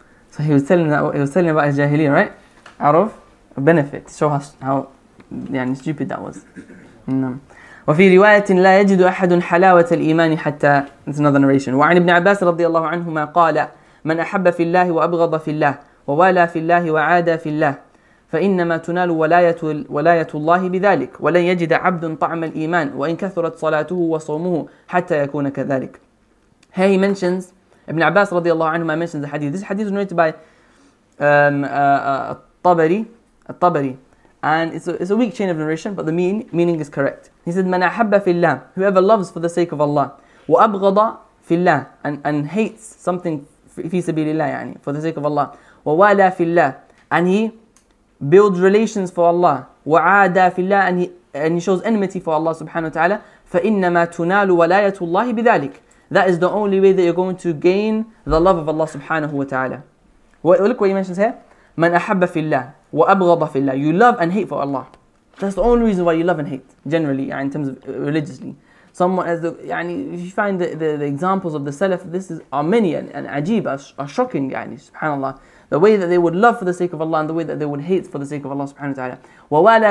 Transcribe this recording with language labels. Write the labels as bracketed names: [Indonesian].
[English] So he was telling about his jahiliyyah, right? Out of a benefit, show us how stupid that was. [Arabic] وفي رواية لا يجد أحد حلاوة الإيمان حتى. [English] It's another narration. [Arabic] وعن ابن عباس رضي الله عنهما قال. من أحب في الله وأبغض في الله ووالى في الله وعادى في الله فإنما تنال ولاية الله بذلك ولن يجد عبد طعم الإيمان وإن كثرت صلاته وصومه حتى يكون كذلك. [English] Here he mentions, Ibn Abbas [Arabic] رضي الله عنهما [English] mentions the hadith. This hadith is narrated by الطبري, and it's a weak chain of narration, but the meaning is correct. He said, [Arabic] من أحب في الله, [English] whoever loves for the sake of Allah, [Arabic] وأبغض في الله, [English] and hates something [Arabic] في سبيل الله, [English] for the sake of Allah, [Arabic] ووالى في الله, [English] and he builds relations for Allah, [Arabic] وعادى في الله, [English] and he shows enmity for Allah subhanahu wa ta'ala, [Arabic] فإنما تنال ولاية الله بذلك. [English] That is the only way that you're going to gain the love of Allah subhanahu wa ta'ala. Look what he mentions here. [Arabic] من أحب في الله وأبغض في الله. [English] You love and hate for Allah. That's the only reason why you love and hate, generally, in terms of religiously. Someone, as if you find the examples of the Salaf, this is are many and ajeeb, are shocking, subhanAllah. The way that they would love for the sake of Allah, and the way that they would hate for the sake of Allah subhanahu wa ta'ala.